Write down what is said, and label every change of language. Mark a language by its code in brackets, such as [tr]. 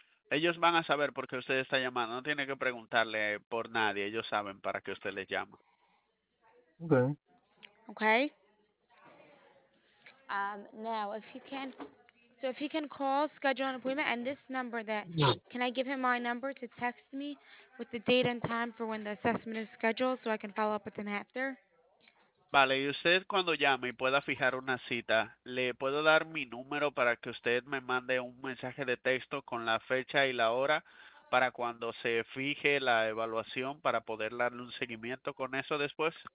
[es] Ellos van a saber por qué usted está llamando. No tiene que preguntarle por nadie. Ellos saben para qué usted les llama. [en] Okay. Okay. Now, if you can, so if you can call, schedule an appointment, and this number that, can I give him my number to text me with the date and time for when the assessment is scheduled so I can follow up with him after? [es] Vale, y usted cuando llame y pueda fijar una cita, ¿le puedo dar mi número para que usted me mande un mensaje de texto con la fecha y la hora para cuando se fije la evaluación para poder darle un seguimiento con eso después?